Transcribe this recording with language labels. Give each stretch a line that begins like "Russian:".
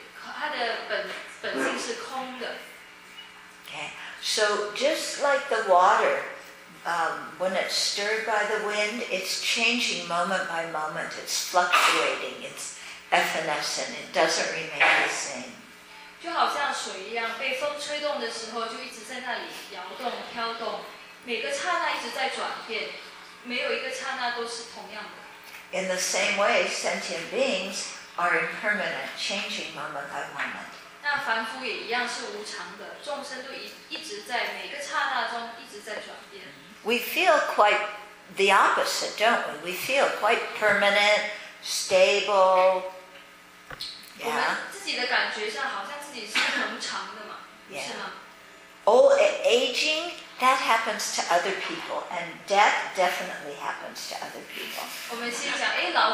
Chinese: 所以最后两句就是赞叹这种大悲心，而那个大悲心是怎么去关照到众生的？那个大悲心就是去关照到众生每一个刹那一直在转变，每个刹那都是无常的在转变，还有他们也是它的本性是空的。
English: Okay, so just like the water, when it's stirred by the wind, it's changing moment by moment, it's fluctuating, it's evanescent, it doesn't remain the same.
Chinese: 就好像水一样，被风吹动的时候，就一直在那里摇动、飘动，每个刹那一直在转变，没有一个刹那都是同样的。
English: In the same way, sentient beings are impermanent, changing moment by moment.
Chinese: 那凡夫也一样是无常的，众生都一直在每个刹那中一直在转变。
English: We feel quite the opposite, don't we? We feel quite permanent, stable. Yeah.
Chinese: 我们自己的感觉上好像自己是恒常的嘛，
English: yeah.
Chinese: 是吗？
English: Oh, aging, that happens to other people, and death definitely happens to other people.